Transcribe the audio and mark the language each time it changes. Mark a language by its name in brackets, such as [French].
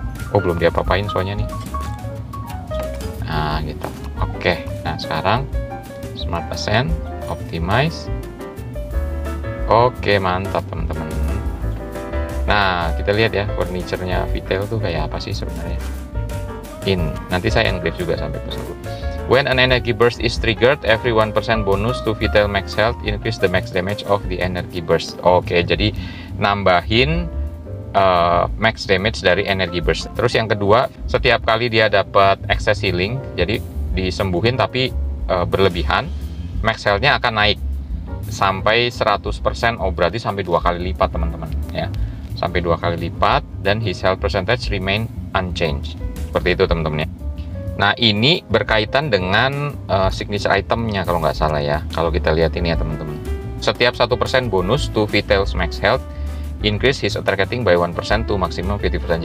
[Indonesian] Oh, belum diapa-apain Sonya nih. Nah, gitu. Oke, nah sekarang Smart Ascent, Optimize. Oke, mantap teman-teman. Nah, kita lihat ya furniture-nya Vitel tuh kayak apa sih sebenarnya. In, nanti saya engrave juga sampai tersebut. [English] When an energy burst is triggered, every 1% bonus to Vitel max health increase the max damage of the energy burst. [Indonesian] Oke, jadi nambahin max damage dari energy burst. Terus yang kedua, setiap kali dia dapat excess healing, jadi disembuhin tapi berlebihan, max health-nya akan naik sampai 100%, oh berarti sampai 2 kali lipat teman-teman ya. Sampai 2 kali lipat dan [English] his health percentage remain unchanged. [Indonesian] Seperti itu teman-teman ya. Nah, ini berkaitan dengan signature itemnya kalau nggak salah ya. Kalau kita lihat ini ya teman-teman. Setiap [English] 1% bonus to Vitel's max health, increase his attack rating by 1% to maximum 50%.